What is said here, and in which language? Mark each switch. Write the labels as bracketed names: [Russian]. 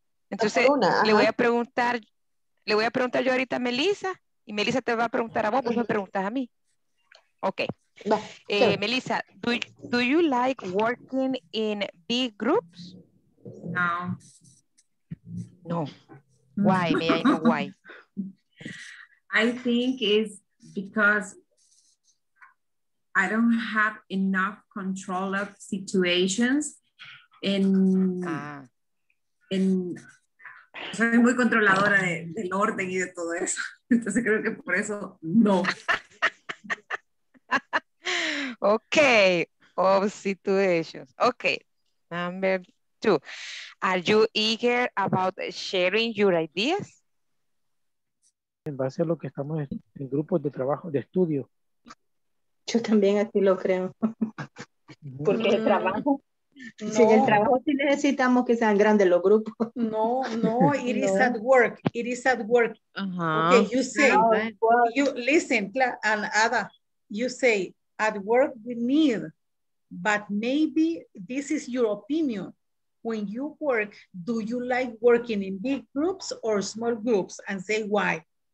[Spanish] Entonces, le voy a preguntar yo ahorita a Melissa, y Melissa te va a preguntar a vos, pues me preguntas a mí. [English] Okay. No, sure. Melissa, do you like working in big groups? No. No. Why? May I know why? I think it's because I don't have enough control of situations. [Spanish] Soy muy controladora del orden y de todo eso. Entonces creo que por eso no. [English] Okay, of situations. Okay, number two. Are you eager about sharing your ideas? [Spanish] En base a lo que estamos en grupos de trabajo, de estudio. Yo también así lo creo. Porque el trabajo. No. Si en el trabajo sí necesitamos que sean grandes los grupos. [English] No, no, it is at work. It is at work. Uh-huh. Okay, you say, you listen, and Ada, you say, at work we need, but maybe this is your opinion. When you work, do you like working in big groups or small groups? And say why.